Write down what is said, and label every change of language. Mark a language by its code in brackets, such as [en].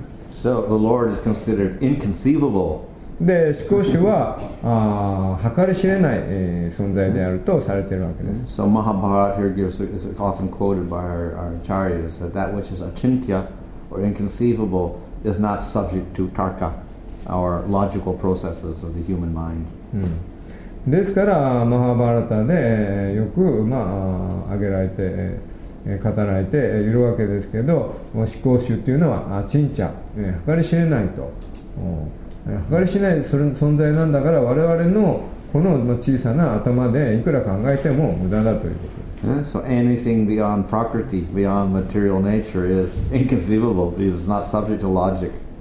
[en] So the Lord is considered inconceivable. [ja] で、思考集は計り知れない存在であるとされているわけです。 [en] So Mahabharata here gives is often quoted by our acharyas that that which is achintya or inconceivable is not subject to tarka, our logical processes of the human mind. [ja] ですから、マハバラタでよく、まあ、挙げられて語られているわけですけど、思考集というのはちんちゃ、計り知れないと、計り知れない存在なんだから、我々のこの小さな頭でいくら考えても無駄だということです。 [en] So anything beyond prakriti, beyond material nature is inconceivable. It is not subject to logic.